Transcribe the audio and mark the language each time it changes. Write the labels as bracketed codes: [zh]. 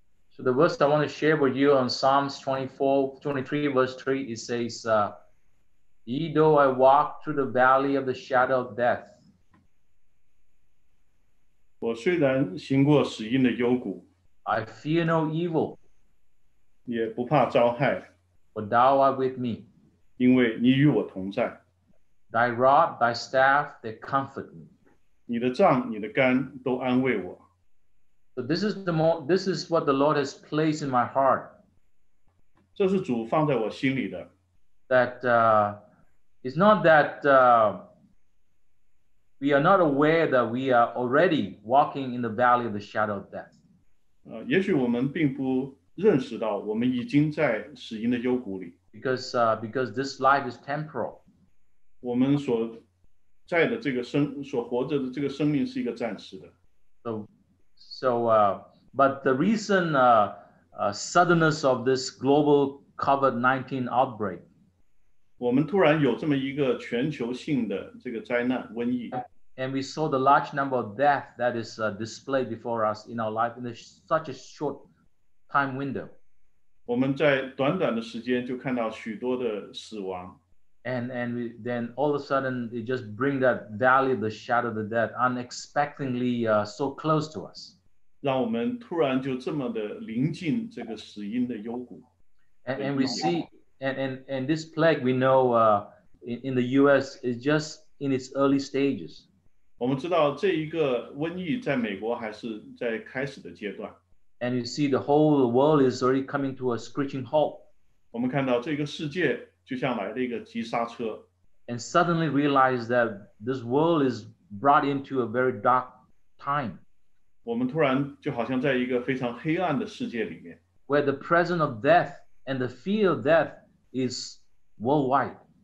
[en] So the verse I want to share with you on Psalms 23:3, it says, Ye though I walk through the valley of the shadow of death, [zh] 我虽然行过死荫的幽谷, [en] I fear no evil, [zh] 也不怕遭害, [en] for thou art with me, [zh] 因为你与我同在, [en] thy rod, thy staff, they comfort me, [zh] 你的杖,你的竿都安慰我。 [en] So this is what the Lord has placed in my heart. [zh] 这是主放在我心里的。 [en] That it's not that we are not aware that we are already walking in the valley of the shadow of death. [zh] 也许我们并不认识到我们已经在死荫的幽谷里。 [en] Because this life is temporal. [zh] 我们所在的这个生所活着的这个生命是一个暂时的。 [en] But the recent suddenness of this global COVID-19 outbreak. [zh] 我们突然有这么一个全球性的这个灾难瘟疫。 [en] And we saw the large number of deaths that is displayed before us in our life in such a short time window. [zh] 我们在短短的时间就看到许多的死亡。 [en] And we, then all of a sudden, it just brings that valley of the shadow of the dead unexpectedly so close to us. [zh] 让我们突然就这么的临近这个死荫的幽谷。 [en] And we see, and this plague, we know, in the US is just in its early stages. And you see the whole world is already coming to a screeching halt. [zh] 我们看到这个世界就像来了一个急刹车。 [en] And suddenly realize that this world is brought into a very dark time. [zh] 我们突然就好像在一个非常黑暗的世界里面。 [en] Where the presence of death and the fear of death is worldwide.